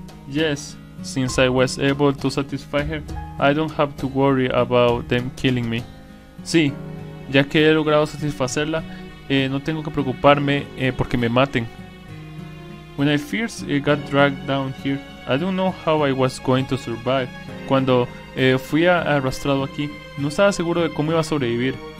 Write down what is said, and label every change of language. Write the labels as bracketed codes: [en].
[en] Yes, since I was able to satisfy her, I don't have to worry about them killing me. [es] Sí, ya que he logrado satisfacerla, no tengo que preocuparme porque me maten. [en] When I first got dragged down here, I don't know how I was going to survive. [es] Cuando fui arrastrado aquí, no estaba seguro de cómo iba a sobrevivir.